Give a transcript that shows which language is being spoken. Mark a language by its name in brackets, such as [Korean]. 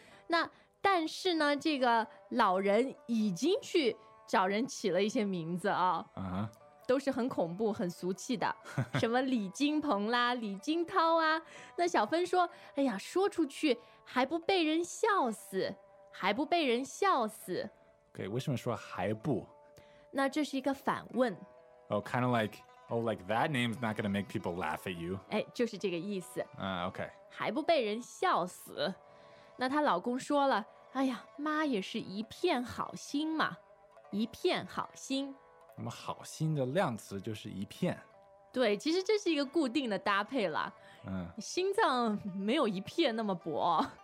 [Chinese] 那但是呢，这个老人已经去找人起了一些名字啊、哦。啊。都是很恐怖很俗气的，什么李金鹏啦李金涛啊。那小芬说，哎呀，说出去还不被人笑死，还不被人笑死。 [English] Okay, [Chinese] 为什么说还不？那这是一个反问。 [English] Oh, kind of like, oh, like that name's not going to make people laugh at you. [Chinese] 哎，就是这个意思。 [English] Okay. [Chinese] 还不被人笑死。那她老公说了，哎呀，妈也是一片好心嘛，一片好心。那么好心的量词就是一片。对，其实这是一个固定的搭配了。心脏没有一片那么薄。